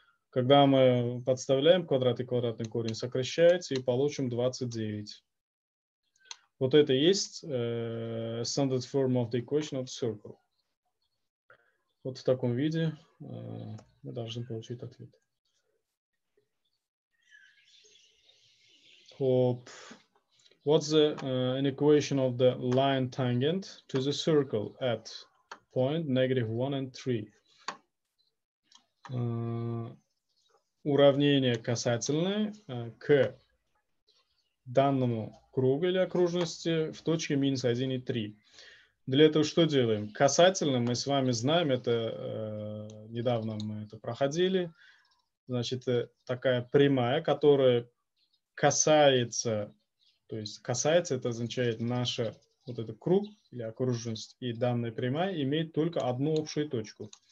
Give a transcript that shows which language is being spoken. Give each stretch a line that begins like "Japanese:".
Russian: Когда мы подставляем квадрат и квадратный корень, сокращается и получим 29. Вот это есть
English: standard form of the equation of the circle.
Russian: Вот в таком виде мы должны получить ответ.
English: What's the an equation of the line tangent to the circle at point negative 1 and 3?
Russian: Уравнение касательное к данному кругу или окружности в точке минус 1 и 3. Для этого что делаем? Касательно мы с вами знаем, это недавно мы это проходили. Значит, такая прямая, которая касается, то есть касается, это означает наша вот этот круг или окружность и данная прямая имеет только одну общую точку.